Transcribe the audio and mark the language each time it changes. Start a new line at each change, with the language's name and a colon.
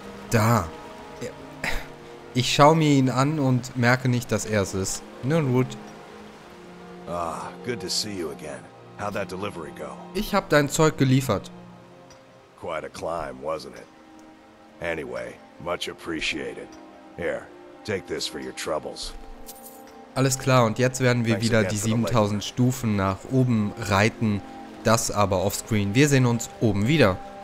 German: Da. Ich schaue mir ihn an und merke nicht, dass er es ist. Nun gut.
English: Ah, good to see you again. How'd that delivery go?
German: Ich habe dein Zeug geliefert.
English: Quite a climb, wasn't it? Anyway, much appreciated. Here, take this for your troubles.
German: Alles klar, und jetzt werden wir wieder die 7000 Stufen nach oben reiten. Das aber offscreen. Wir sehen uns oben wieder.